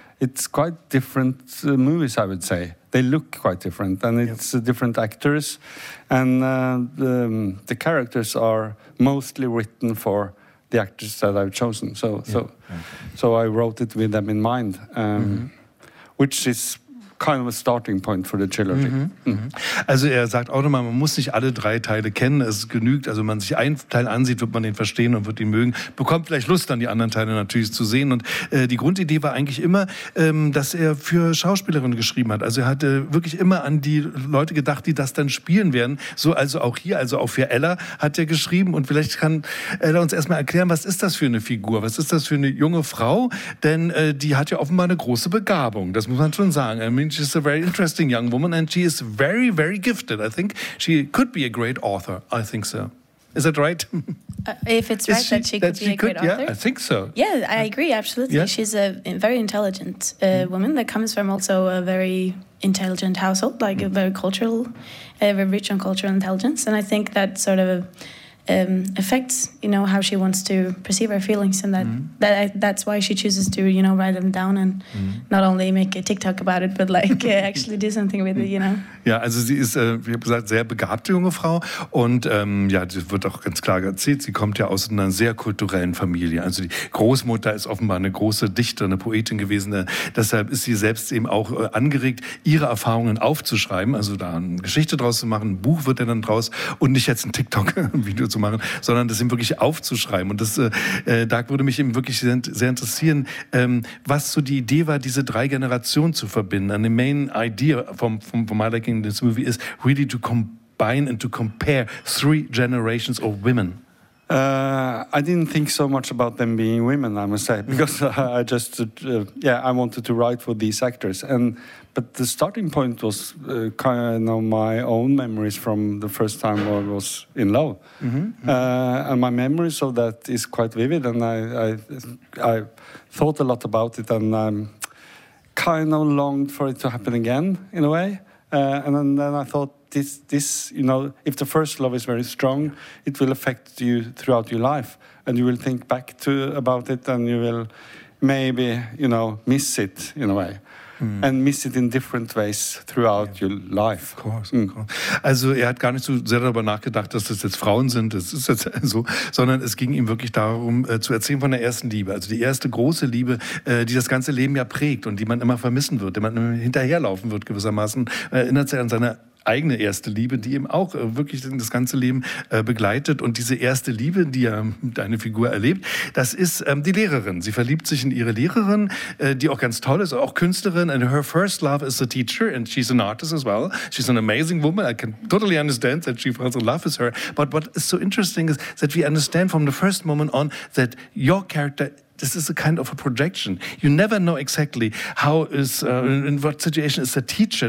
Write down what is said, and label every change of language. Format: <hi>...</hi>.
<en>It's quite different movies, I would say. They look quite different, and it's different actors. And the characters are mostly written for the actors that I've chosen. So I wrote it with them in mind, which is kind of a starting point for the trilogy.</en> <de>Also er sagt auch nochmal, man muss nicht alle drei Teile kennen, es genügt, also wenn man sich einen Teil ansieht, wird man den verstehen und wird ihn mögen, bekommt vielleicht Lust, dann die anderen Teile natürlich zu sehen. Und die Grundidee war eigentlich immer, dass er für Schauspielerinnen geschrieben hat. Also er hatte wirklich immer an die Leute gedacht, die das dann spielen werden. So also auch hier, also auch für Ella hat er geschrieben. Und vielleicht kann Ella uns erstmal erklären, was ist das für eine Figur? Was ist das für eine junge Frau? Denn die hat ja offenbar eine große Begabung, das muss man schon sagen.</de> <en>She's a very interesting young woman, and she is very, very gifted. I think she could be a great author. I think so. Is that right? If it's right, she could be a great author? I think so. Yeah, I agree, absolutely. Yeah. She's a very intelligent woman that comes from also a very intelligent household, like a very cultural, very rich on cultural intelligence. And I think that sort of affects, you know, how she wants to perceive her feelings, and that's why she chooses to, you know, write them down and not only make a TikTok about it, but like actually do something with it, you know.</en> <de>Ja, also sie ist, wie gesagt, sehr begabte junge Frau und ja, sie wird auch ganz klar erzählt, sie kommt ja aus einer sehr kulturellen Familie. Also die Großmutter ist offenbar eine große Dichterin, eine Poetin gewesen. Deshalb ist sie selbst eben auch angeregt, ihre Erfahrungen aufzuschreiben, also da eine Geschichte draus zu machen, ein Buch wird dann draus und nicht jetzt ein TikTok-Video zu machen, sondern das eben wirklich aufzuschreiben. Und das, Dag, würde mich eben wirklich sehr, sehr interessieren, was so die Idee war, diese drei Generationen zu verbinden. Eine Main Idee von</de> <en>Malek in this movie is really to combine and to compare three generations of women. I didn't think so much about them being women, I must say, because I just I wanted to write for these actors. But the starting point was kind of my own memories from the first time I was in love. And my memories of that is quite vivid, and I thought a lot about it, and I kind of longed for it to happen again in a way. And then I thought, this, you know, if the first love is very strong, it will affect you throughout your life, and you will think back to about it, and you will maybe, you know, miss it in a way. And miss it in different ways throughout your life. Of course.</en> <de>Also er hat gar nicht so sehr darüber nachgedacht, dass das jetzt Frauen sind, das ist jetzt so, sondern es ging ihm wirklich darum, zu erzählen von der ersten Liebe, also die erste große Liebe, die das ganze Leben ja prägt und die man immer vermissen wird, die man immer hinterherlaufen wird gewissermaßen. Er erinnert sich an seine eigene erste Liebe, die ihm auch wirklich das ganze Leben begleitet. Und diese erste Liebe, die er deine Figur erlebt, das ist die Lehrerin. Sie verliebt sich in ihre Lehrerin, die auch ganz toll ist, auch Künstlerin.</de> <en>And her first love is a teacher, and she's an artist as well. She's an amazing woman. I can totally understand that she falls in love with her. But what is so interesting is that we understand from the first moment on that your character, this is a kind of a projection. You never know exactly how is in what situation is the teacher.</en>